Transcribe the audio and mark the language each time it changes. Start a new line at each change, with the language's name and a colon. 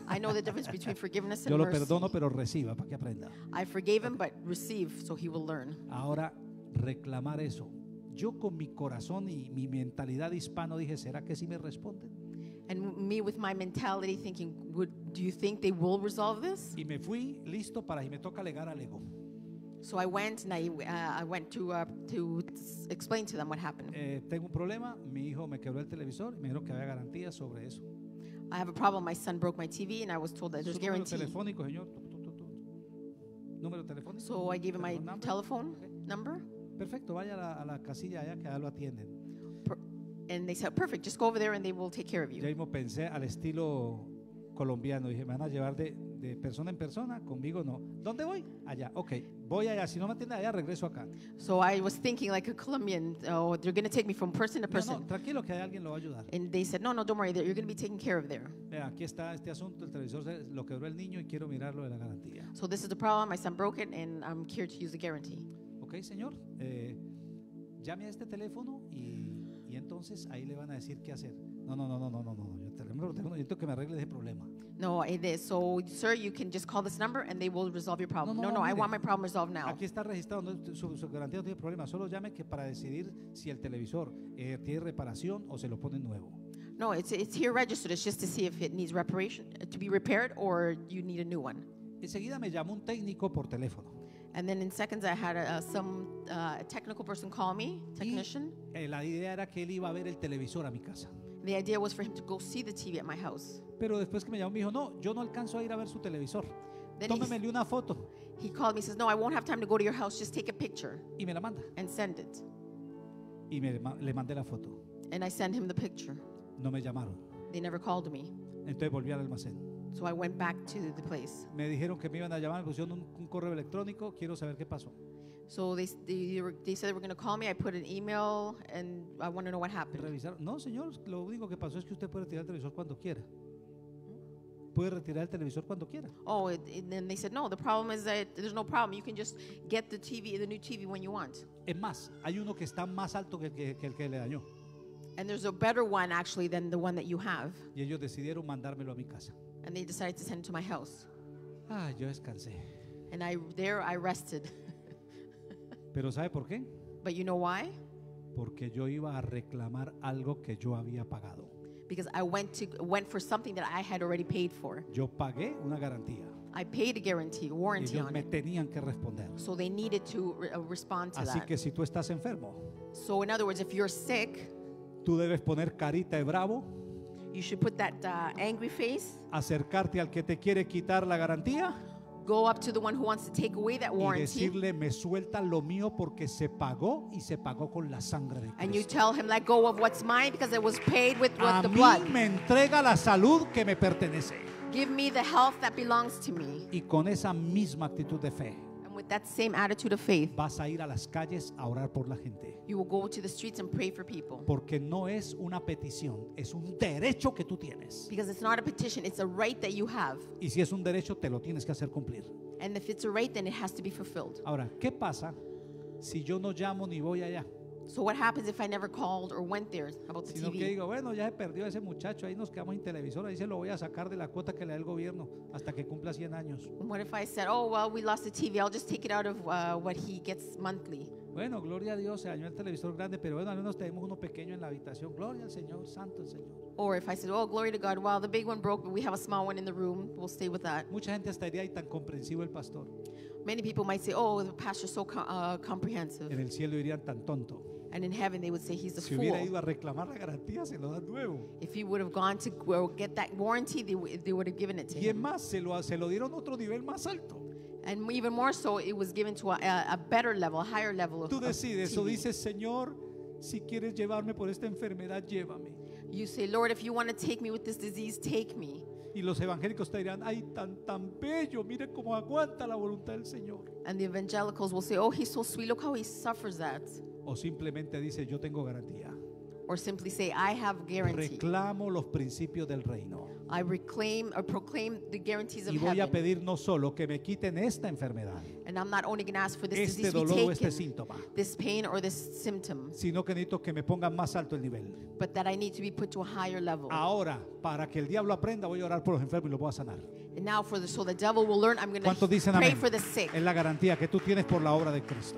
English: I know the difference between forgiveness and mercy.
Spanish: Yo lo perdono, pero reciba para que aprenda.
English: I forgave him, but receive so he will learn.
Spanish: Ahora reclamar eso. Yo con mi corazón y mi mentalidad hispano dije, ¿será que sí me responden?
English: And me with my mentality thinking, do you think they will resolve this?
Spanish: Y me fui listo para y me toca alegar al ego.
English: So I went and I went to explain to them what happened.
Spanish: Tengo un problema, mi hijo me quebró el televisor y me dijeron que había garantía sobre eso.
English: I have a problem, my son broke my TV and I was told that there's guarantee.
Spanish: Número telefónico, señor. Número telefónico.
English: So I gave him my telephone number.
Spanish: Perfecto, vaya a la casilla allá que allá lo atienden.
English: And they said, perfect, just go over there and they will take care of you.
Spanish: Yo mismo pensé al estilo colombiano. Dije, me van a llevar de persona en persona, conmigo no. ¿Dónde voy? Allá, ok, voy allá. Si no me atienden allá, regreso acá.
English: So I was thinking like a Colombian, oh, they're going to take me from person to person.
Spanish: No, no, tranquilo que hay alguien lo va a ayudar.
English: And they said, no, don't worry, you're going to be taken care of there.
Spanish: Mira, aquí está este asunto, el televisor lo quebró el niño y quiero mirarlo de la garantía.
English: So this is the problem, my son broke it and I'm here to use the guarantee.
Spanish: Ok, señor, llame a este teléfono y entonces ahí le van a decir qué hacer. No, yo tengo que me arregle ese problema.
English: No, it is. So, sir, you can just call this number and they will resolve your problem.
Spanish: No, mire,
English: I want my problem resolved now.
Spanish: Aquí está registrado, su garantía no tiene problema. Solo llame que para decidir si el televisor tiene reparación o se lo pone nuevo.
English: No, it's here registered. It's just to see if it needs reparation, to be repaired, or you need a new one.
Spanish: Enseguida me llamó un técnico por teléfono.
English: And then in seconds I had a technical person call me, technician.
Spanish: Y la idea era que él iba a ver el televisor a mi casa.
English: The idea was for him to go see the TV at my house.
Spanish: Pero después que me llamó me dijo, no, yo no alcanzo a ir a ver su televisor. Tómemele una foto.
English: He called me, says, no, I won't have time to go to your house. Just take a picture.
Spanish: Y me la manda.
English: And send it.
Spanish: Y le mandé la foto.
English: And I sent him the picture.
Spanish: No me llamaron.
English: They never called me.
Spanish: Entonces volví al almacén.
English: So I went back to the place.
Spanish: Me dijeron que me iban a llamar, me pusieron un correo electrónico, quiero saber qué pasó.
English: So they said they were going to call me. I put an email and I want to know what happened.
Spanish: Revisaron. No, señor, lo único que pasó es que usted puede retirar el televisor cuando quiera. Puede retirar el televisor cuando quiera.
English: Oh, and then they said no, the problem is that there's no problem. You can just get the TV, the new TV when you want.
Spanish: Es más, hay uno que está más alto que el que le dañó.
English: And there's a better one actually than the one that you have.
Spanish: Y ellos decidieron mandármelo a mi casa.
English: And they decided to send it to my house.
Spanish: Ah, yo descansé.
English: And I rested.
Spanish: Pero ¿sabe por qué?
English: But you know why?
Spanish: Porque yo iba a reclamar algo que yo había pagado.
English: Because I went for something that I had already paid for.
Spanish: Yo pagué una garantía.
English: I paid a guarantee, warranty
Spanish: y ellos
English: on
Spanish: me
English: it.
Spanish: Tenían que responder.
English: So they needed to respond to
Spanish: Así
English: that.
Spanish: Así que si tú estás enfermo.
English: So in other words, if you're sick,
Spanish: tú debes poner carita de bravo.
English: You should put that angry face.
Spanish: Acercarte al que te quiere quitar la garantía.
English: Go up to the one who wants to take away that warranty.
Spanish: Y decirle, me suelta lo mío porque se pagó y se pagó con la sangre de Cristo.
English: And you tell him, let go of what's mine because it was paid with the blood.
Spanish: A mí me entrega la salud que me pertenece.
English: Give me the health that belongs to me.
Spanish: Y con esa misma actitud de fe.
English: With that same attitude of faith,
Spanish: vas a ir a las calles a orar por la gente.
English: You will go to the streets and pray for people.
Spanish: Porque no es una petición, es un derecho que tú tienes.
English: Because it's not a petition, it's a right that you have.
Spanish: Y si es un derecho, te lo tienes que hacer cumplir.
English: And if it's a right, then it has to be fulfilled.
Spanish: Ahora, ¿qué pasa si yo no llamo ni voy allá?
English: So what happens if I never called or went there about the TV?
Spanish: Sino que digo, bueno, ya se perdió ese muchacho, ahí nos quedamos sin televisor, ahí se lo voy a sacar de la cuota que le da el gobierno hasta que cumpla 100 años.
English: What if I said, oh, well, we lost the TV, I'll just take it out of what he gets monthly.
Spanish: Bueno, gloria a Dios, se dañó el televisor grande, pero bueno, al menos tenemos uno pequeño en la habitación. Gloria al Señor, santo el Señor.
English: Or if I said, oh, glory to God, well, the big one broke, but we have a small one in the room, we'll stay with that.
Spanish: Mucha gente estaría ahí tan comprensivo el pastor.
English: Many people might say, oh, the pastor is so comprehensive.
Spanish: En el cielo dirían tan tonto.
English: And in heaven they would say he's a
Spanish: si
English: fool.
Spanish: Hubiera ido a reclamar la garantía, se lo da nuevo.
English: If he would have gone to go get that warranty, they would have given it to
Spanish: y
English: him.
Spanish: Y más, se lo dieron otro nivel más alto.
English: And even more so, it was given to a better level, a higher level.
Spanish: Tú decides, o dices, Señor, si quieres llevarme por esta enfermedad, llévame.
English: You say, Lord, if you want to take me with this disease, take me.
Spanish: Y los evangélicos te dirán, ay, tan tan bello, mire cómo aguanta la voluntad del Señor.
English: And the evangelicals will say, oh, he's so sweet, look how he suffers that.
Spanish: O simplemente dice, yo tengo garantía.
English: Or simply say, I have guarantee.
Spanish: Reclamo los principios del reino.
English: I reclaim or proclaim the guarantees of heaven.
Spanish: Y voy a pedir no solo que me quiten esta enfermedad.
English: And I'm not only going to ask for this
Spanish: este
English: disease to be taken. Síntoma, this pain or this symptom.
Spanish: Sino que necesito que me pongan más alto el nivel.
English: But that I need to be put to a higher level.
Spanish: Ahora, para que el diablo aprenda, voy a orar por los enfermos y los voy a sanar.
English: And now for the, so the devil will learn, I'm going to pray for the sick.
Spanish: Es la garantía que tú tienes por la obra de Cristo.